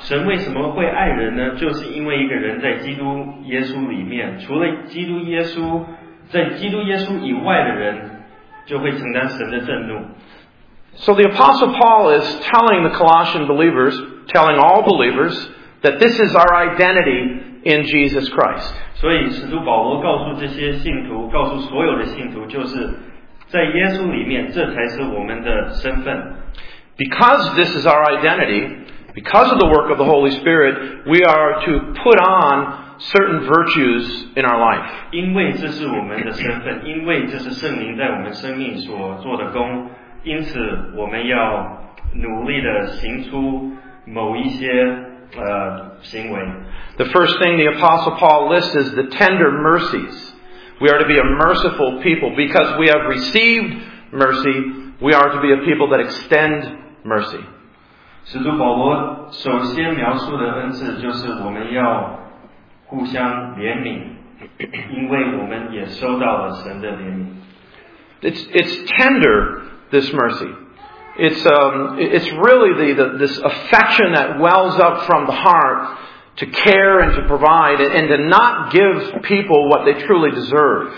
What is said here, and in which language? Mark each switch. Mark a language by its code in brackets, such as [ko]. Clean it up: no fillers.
[zh] 神为什么会爱人呢？就是因为一个人在基督耶稣里面，除了基督耶稣，在基督耶稣以外的人就会承担神的震怒。 [en] So the Apostle Paul is telling the Colossian believers, telling all believers, that this is our identity in Jesus Christ. [zh] 所以使徒保罗告诉这些信徒，告诉所有的信徒，就是在耶稣里面，这才是我们的身份。 [en] Because this is our identity, because of the work of the Holy Spirit, we are to put on certain virtues in our life. [zh] 因为这是我们的身份，因为这是圣灵在我们生命所做的工，因此我们要努力地行出某一些行为。 [en] The first thing the Apostle Paul lists is the tender mercies. We are to be a merciful people. Because we have received mercy, we are to be a people that extend mercy. [zh] 使徒保罗首先描述的恩赐就是我们要互相怜悯，因为我们也收到了神的怜悯。 [en] It's tender, this mercy. It's really this affection that wells up from the heart to care and to provide and to not give people what they truly deserve.